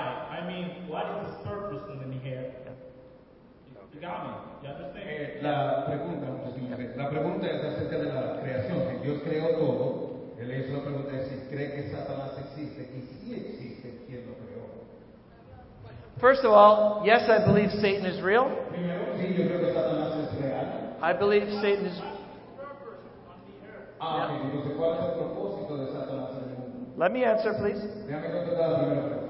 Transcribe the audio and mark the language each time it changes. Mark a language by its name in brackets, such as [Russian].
[English] I mean, what is his purpose in here? You got me? You understand? [Spanish] La pregunta es acerca de la creación. Dios creó todo. Él hizo la pregunta de si cree que Satanás existe, y si existe, ¿quién lo creó? [English] First of all, yes, I believe Satan is real. [Spanish] Sí, yo creo que Satanás es real. [English] I believe Satan is... [Spanish] ¿Cuál es el propósito de Satanás en el mundo? [English] Let me answer, please. [Spanish] Déjame contestar primero.